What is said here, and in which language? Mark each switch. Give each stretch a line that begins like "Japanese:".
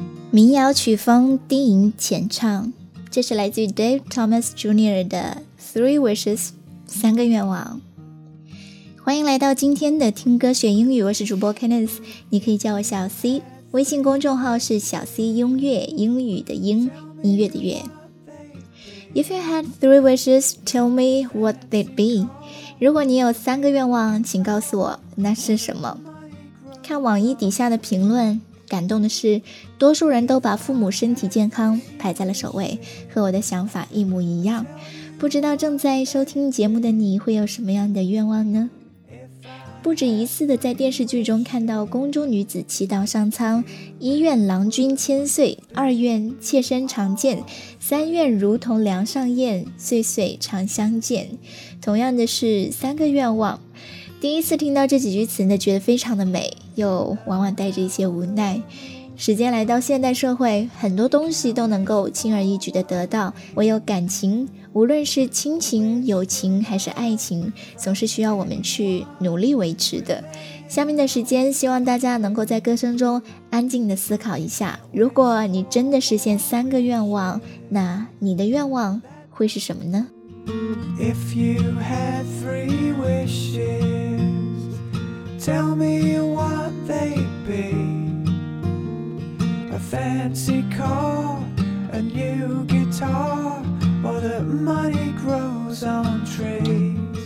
Chinese: 民谣曲风低吟浅唱，这是来自于 Dave Thomas Jr. 的 Three Wishes 三个愿望。欢迎来到今天的听歌学英语，我是主播 Kenneth， 你可以叫我小 C， 微信公众号是小 C 音乐，英语的英，音乐的乐。
English: If you had three wishes, tell me what they'd be.
Chinese: 如果你有三个愿望，请告诉我那是什么。看网易底下的评论，感动的是多数人都把父母身体健康排在了首位，和我的想法一模一样。不知道正在收听节目的你会有什么样的愿望呢？不止一次的在电视剧中看到宫中女子祈祷上苍，一愿郎君千岁，二愿妾身常见，三愿如同梁上燕，岁岁常相见。同样的是三个愿望，第一次听到这几句词呢，觉得非常的美，又往往带着一些无奈。时间来到现代社会，很多东西都能够轻而易举的得到，唯有感情，无论是亲情、友情还是爱情，总是需要我们去努力维持的。下面的时间，希望大家能够在歌声中安静的思考一下，如果你真的实现三个愿望，那你的愿望会是什么呢？
English: If you had three wishes, tell me what they'd beA fancy car, a new guitar, or that money grows on trees.